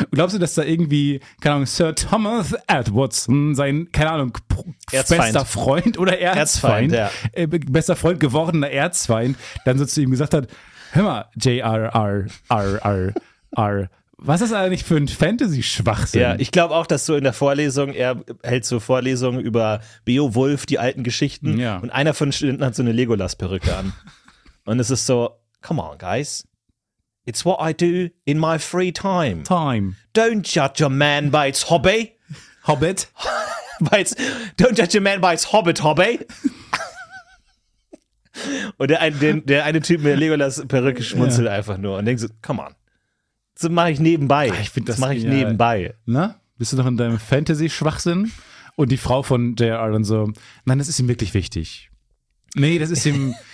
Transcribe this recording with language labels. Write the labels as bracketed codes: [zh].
[de] Glaubst du, dass da irgendwie, keine Ahnung, Sir Thomas Edwards, sein, keine Ahnung, bester Freund oder Erzfeind, bester Freund gewordener Erzfeind, dann so zu ihm gesagt hat, hör mal, J.R.R.R.R.R., was ist eigentlich für ein Fantasy-Schwachsinn? Ja, ich glaube auch, dass so in der Vorlesung, er hält so Vorlesungen über Beowulf, die alten Geschichten, und einer von den Studenten hat so eine Legolas-Perücke an. Und es ist so, [en] come on, guys. It's what I do in my free time. Time. Don't judge a man by its hobby. Hobbit. Don't judge a man by its hobbit, hobby. [de] Und der eine Typ mit der Legolas-Perücke schmunzelt einfach nur und denkt so, [en] come on. [de] Das mache ich nebenbei. Das mache ich nebenbei. Na, bist du noch in deinem Fantasy-Schwachsinn? Und die Frau von J.R.R. dann so, nein, das ist ihm wirklich wichtig. Nee, das ist ihm...